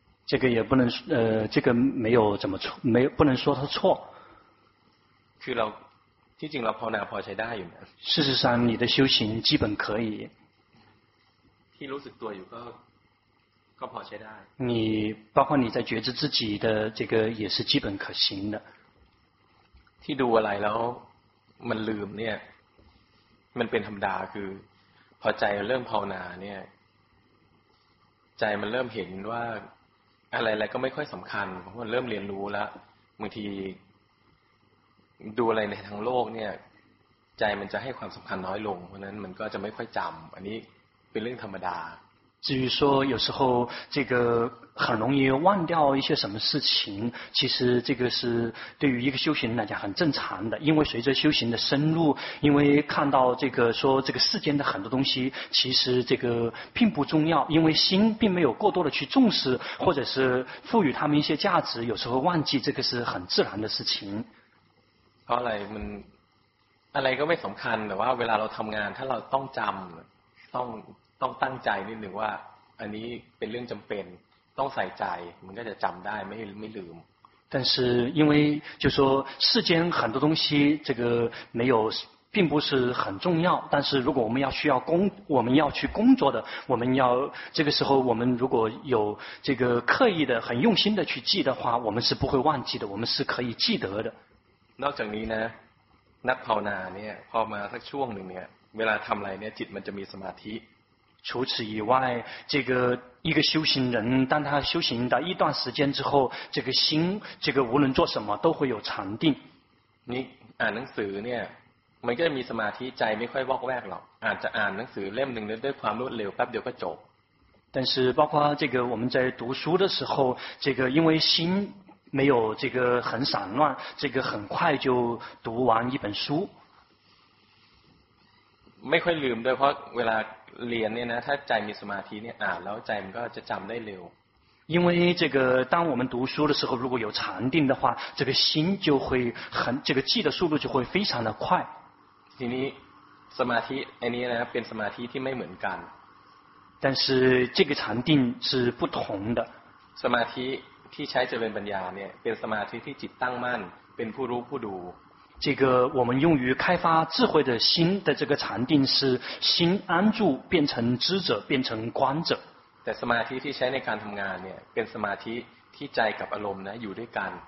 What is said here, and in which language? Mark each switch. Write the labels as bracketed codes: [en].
[zh] 这个也不能这个没有怎么错没不能说他错 [th] คือเราที่จริงเราภาวนาพอใช้ได้อยู่นะ [zh] 事实上你的修行基本可以 [th] ที่รู้สึกตัวอยู่ก็พอใช้ได้ [zh] 你包括你在觉知自己的这个也是基本可行的 [th] ที่ดูอะไรแล้วมันลืมเนี่ยมันเป็นธรรมดาคือพอใจเริ่มภาวนาเนี่ยใจมันเริ่มเห็นว่าอะไรๆก็ไม่ค่อยสำคัญเพราะมันเริ่มเรียนรู้แล้วบางทีดูอะไรในทั้งโลกเนี่ยใจมันจะให้ความสำคัญน้อยลงเพราะนั้นมันก็จะไม่ค่อยจำอันนี้เป็นเรื่องธรรมดา [zh] 至于说有时候这个很容易忘掉一些什么事情，其实这个是对于一个修行人来讲很正常的，因为随着修行的深入，因为看到这个说这个世间的很多东西其实这个并不重要，因为心并没有过多的去重视或者是赋予他们一些价值，有时候忘记这个是很自然的事情。 [th] เพราะอะไรมันอะไรก็ไม่สำคัญแต่ว่าเวลาเราทำงานถ้าเราต้องจำต้องตั้งใจนิดหนึ่งว่าอันนี้เป็นเรื่องจำเป็นต้องใส่ใจมันก็จะจำได้ไม่ลืม [zh] 但是因为就说世间很多东西这个没有并不是很重要，但是如果我们要需要工，我们要去工作的，我们要这个时候我们如果有这个刻意的很用心的去记的话，我们是不会忘记的，我们是可以记得的。 [th] นอกจากนี้นะนักภาวนาเนี่ยพอมาสักช่วงหนึ่งเนี่ยเวลาทำอะไรเนี่ยจิตมันจะมีสมาธิ [zh] 除此以外这个一个修行人当他修行到一段时间之后这个心这个无论做什么都会有禅定 [th] นี่อ่านหนังสือเนี่ยมันก็มีสมาธิใจไม่ค่อยวอกแวกหรอกอาจจะอ่านหนังสือเล่มหนึ่งด้วยความรวดเร็วแป๊บเดียวก็จบ [zh] 但是包括这个我们在读书的时候这个因为心没有这个很散乱，这个很快就读完一本书。 [th] ไม่ค่อยลืมด้วยเพราะเวลาเรียนเนี่ยนะถ้าใจมีสมาธิเนี่ยอ่านแล้วใจมันก็จะจำได้เร็ว。 [zh] 因为这个当我们读书的时候，如果有禅定的话，这个心就会很这个记的速度就会非常的快。 [th] ทีนี้สมาธิอันนี้นะเป็นสมาธิที่ไม่เหมือนกัน。 [zh] 但是这个禅定是不同的。 [th] สมาธิที่ใช้เจริญปัญญาเนี่ยเป็นสมาธิที่จิตตั้งมั่นเป็นผู้รู้ผู้ดู [zh] 这个我们用于开发智慧的心的这个禅定是心安住变成知者变成观者 [th] แต่สมาธิที่ใช้ในการทำงานเนี่ยเป็นสมาธิที่ใจกับอารมณ์นะอยู่ด้วยกัน